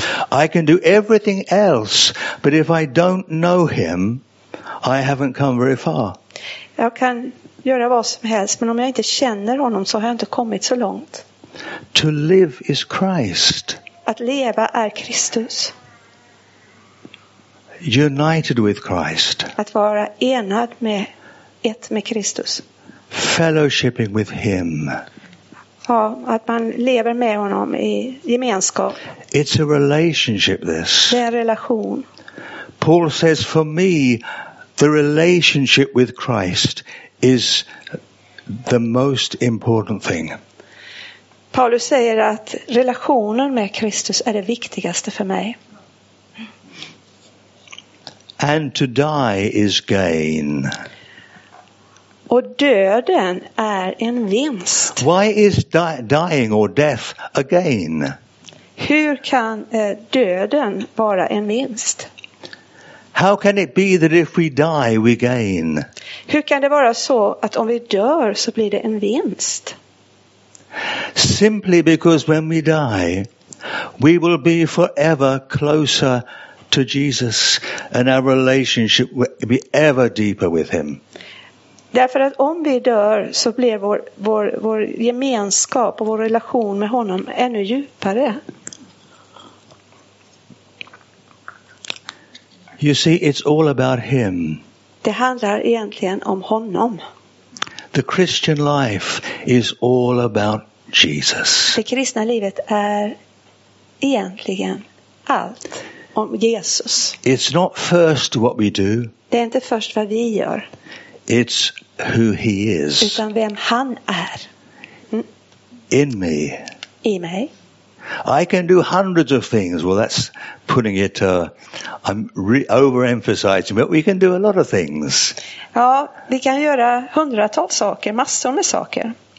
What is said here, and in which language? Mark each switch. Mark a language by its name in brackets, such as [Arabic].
[English] I can do everything else, but if I don't know him, I haven't come very far. [Swedish] Jag kan göra vad som helst, men om jag inte känner honom så har jag inte kommit så långt. [English] To live is Christ. [Swedish] Att leva är Kristus. [English] United with Christ. [Swedish] Att vara enad med ett med Kristus. [English] Fellowshipping with him. [Swedish] Ja, att man lever med honom i gemenskap. [English] It's a relationship this. [Swedish] Det är en relation. [English] Paul says for me the relationship with Christ is the most important thing. [Swedish] Paulus säger att relationen med Kristus är det viktigaste för mig. [English] And to die is gain. [Swedish] Och döden är en vinst. [English] Why is dying or death a gain? [Swedish] Hur kan döden vara en vinst? [English] How can it be that if we die we gain? [Swedish] Hur kan det vara så att om vi dör så blir det en vinst? [English] Simply because when we die we will be forever closer to Jesus and our relationship will be ever deeper with him. [Swedish] Därför att om vi dör så blir vår gemenskap och vår relation med honom ännu djupare. [English] You see, it's all about him. [Swedish] Det handlar egentligen om honom. [English] The Christian life is all about Jesus. [Swedish] Det kristna livet är egentligen allt om Jesus. [English] It's not first what we do. [Swedish] Det är inte först vad vi gör. [English] It's who he is. [Swedish] Utan vem han är. [English] In me. [Swedish] I mig. [English] I can do hundreds of things. Well, that's putting it, I'm overemphasizing, but we can do a lot of things. [Swedish] Ja, vi kan göra hundratals saker, massor med saker.